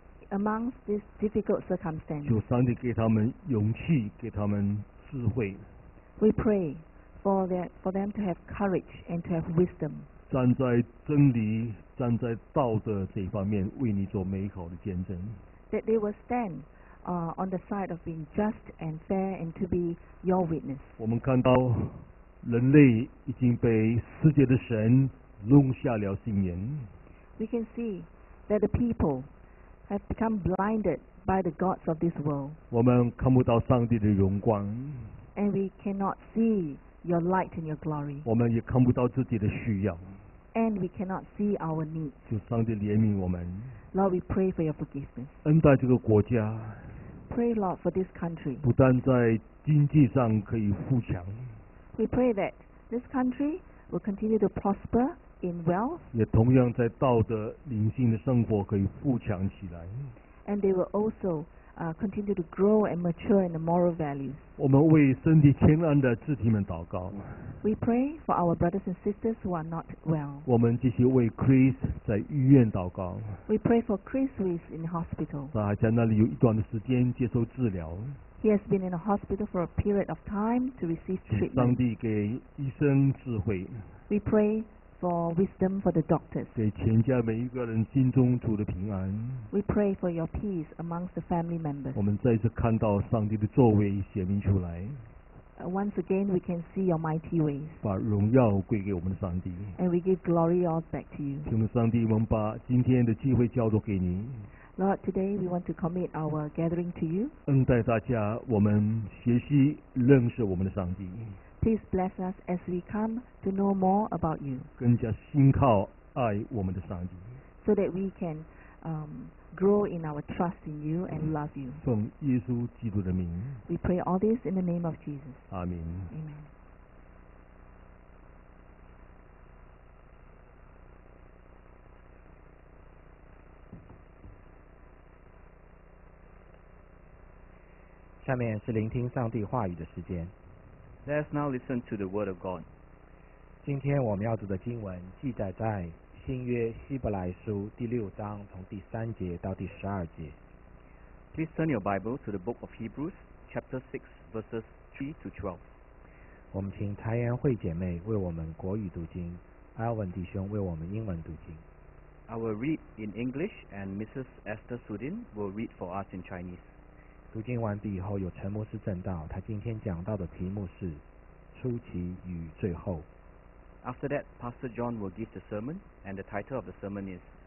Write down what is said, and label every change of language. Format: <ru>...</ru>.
<en>Amongst this difficult circumstance,</en> <zh>求上帝给他们勇气，给他们智慧。</zh> <en>We pray for them to have courage and to have wisdom.</en> <zh>站在真理，站在道德这方面，为你做美好的见证。</zh> <en>That they will stand, on the side of being just and fair and to be your witness.</en> <zh>我们看到人类已经被世界的神弄瞎了心眼。</zh> <en>We can see that the people. Have become blinded by the gods of this world.</en> <zh>我们看不到上帝的荣光。</zh> <en>And we cannot see your light and your glory.</en> <zh>我们也看不到自己的需要。</zh> <en>And we cannot see our needs.</en> <zh>求上帝怜悯我们。</zh> <en>Lord, we pray for your forgiveness.</en> <zh>恩待这个国家。</zh> <en>Pray, Lord, for this country.</en> <zh>不但在经济上可以富强。</zh> <en>We pray that this country will continue to prosper. In wealth,</en> <zh>也同样在道德灵性的生活可以富强起来。</zh> <en>And they will also continue to grow and mature in the moral values.</en> <zh>我们为身体健康的肢体们祷告。</zh> <en>We pray for our brothers and sisters who are not well.</en> <zh>我们继续为 Chris 在医院祷告。</zh> <en>We pray for Chris who is in the hospital.</en> <zh>他还在那里有一段的时间接受治疗。</zh> <en>He has been in a hospital for a period of time to receive treatment.</en> <zh>上帝给医生智慧。</zh> <en>We pray. For wisdom for the doctors.</en> <zh>给全家每一个人心中主的平安。</zh> <en>We pray for your peace amongst the family members.</en> <zh>我们再次看到上帝的作为显明出来。</zh> <en>Once again, we can see your mighty ways.</en> <zh>把荣耀归给我们的上帝。</zh> <en>And we give glory all back to you.</en> <zh>请问上帝，我们把今天的机会交托给你。</zh> <en>Lord, today we want to commit our gathering to you.</en> <zh>恩待大家，我们学习认识我们的上帝。</zh> <en>Please bless us as we come to know more about you.</en> <zh>更加信靠爱我们的上帝。</zh> <en>So that we can grow in our trust in you and love you.</en> <zh>奉耶稣基督的名。</zh> <en>We pray all this in the name of Jesus.</en> <zh>阿门。</zh> <en>Amen.</en> <zh>下面是聆听上帝话语的时间。</zh> <en>Let's now listen to the word of God.</en> <zh>今天我们要读的经文记载在新约希伯来书第六章从第三节到第十二节。</zh> <en>Please turn your Bible to the book of Hebrews, chapter 6, verses 3 to 12.</en> <zh>我们请台湾慧姐妹为我们国语读经， Alvin 弟兄为我们英文读经。</zh> <en>I will read in English and Mrs. Esther Sudin will read for us in Chinese.</en> <zh>读经完毕以后，有陈牧师证道。他今天讲到的题目是“初期与最后”。</zh> <en>After that, Pastor John will give the sermon, and the title of the sermon is</en>